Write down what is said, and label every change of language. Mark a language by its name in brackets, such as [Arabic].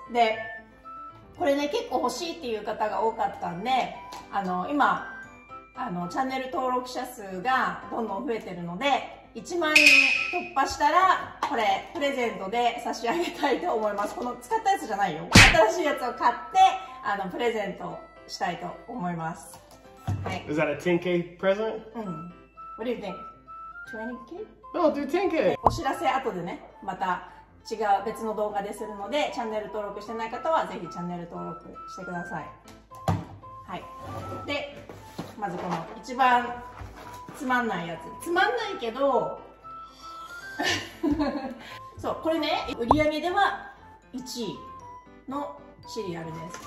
[Japanese] でこれね、結構欲しいっていう方が多かったんで、今チャンネル登録者数がどんどん増えてるので、1万人突破したらこれプレゼントで差し上げたいと思います。この使ったやつじゃないよ、新しいやつを買ってプレゼントしたいと思います。 [English] はい。 Is that a 10K present? What do you think? 20K? No, do 10K! [Japanese] お知らせ後でね、また違う別の動画でするので、チャンネル登録してない方はぜひチャンネル登録してください。はい。でまずこの一番つまんないやつ、つまんないけどそう、これね、売り上げでは1位のシリアルです。